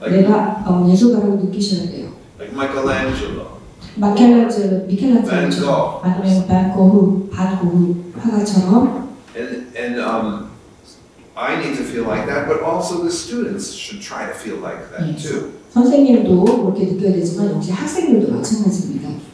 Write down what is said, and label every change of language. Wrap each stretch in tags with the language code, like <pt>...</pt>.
<ko>내가 예술가라고 느끼셔야 돼요.</ko> <en>Like Michelangelo.</en> <ko>마켈란젤로, 아니면 밴고흐, 반고흐, 화가처럼.</ko> <en>I need to feel like that, but also the students should try to feel like that too.</en> <ko>선생님도 그렇게 느껴야 되지만 역시 학생들도 마찬가지입니다.</ko>